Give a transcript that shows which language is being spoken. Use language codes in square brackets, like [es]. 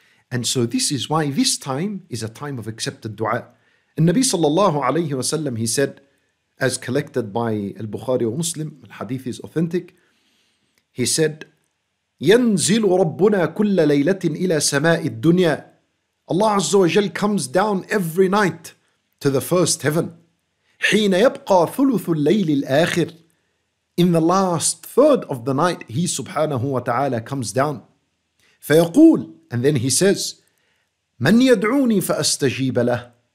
[en] And so this is why this time is a time of accepted dua. And Nabi sallallahu alayhi wa sallam, he said, as collected by Al-Bukhari or Muslim, al-hadith is authentic, he said, [ar] يَنْزِلُ رَبُّنَا كُلَّ لَيْلَةٍ إِلَى سَمَاءِ الدُّنْيَا. [en] Allah Azza wa Jal comes down every night to the first heaven. [ar] حين يبقى ثلث الليل الآخر. [en] In the last third of the night, he subhanahu wa ta'ala comes down. [ar] فيقول, [en] and then he says, [ar] من يدعوني فأستجيب له.